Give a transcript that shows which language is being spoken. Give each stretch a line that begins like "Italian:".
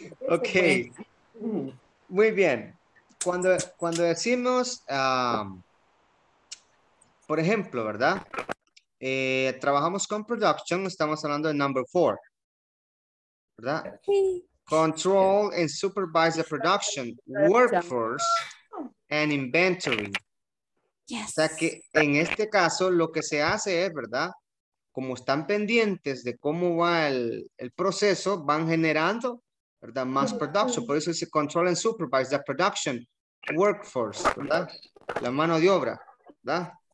Spanish: Okay, muy bien. Cuando decimos, por ejemplo, ¿verdad? Trabajamos con production, estamos hablando de
English: number four,
Spanish: ¿verdad?
English: Control and supervise the production, workforce and inventory. Yes.
Spanish: O sea que en este caso lo que se hace es, ¿verdad? Como están pendientes de cómo va el proceso, van generando, ¿verdad? Más production. Por eso dice
English: control and supervise the production workforce,
Spanish: ¿verdad? La mano de obra, ¿verdad?